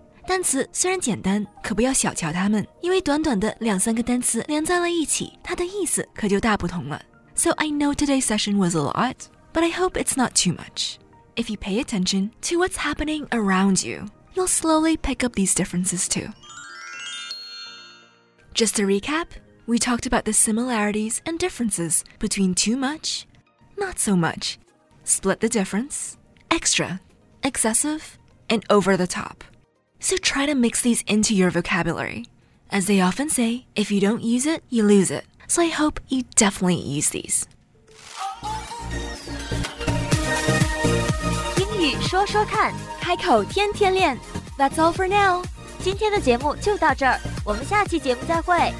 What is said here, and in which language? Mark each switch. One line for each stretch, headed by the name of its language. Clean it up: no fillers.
Chinese: 单词虽然简单，可不要小瞧它们，因为短短的两三个单词连在了一起，它的意思可就大不同了。
English: So I know today's session was a lot, but I hope it's not too much. If you pay attention to what's happening around you, you'll slowly pick up these differences too. Just to recap, we talked about the similarities and differences between too much, not so much, split the difference, extra, excessive, and over the top. So try to mix these into your vocabulary. As they often say, if you don't use it, you lose it. So I hope you definitely use these.
Chinese: 英语说说看，开口天天练。
English: That's all for now.
Chinese: 今天的节目就到这儿，我们下期节目再会。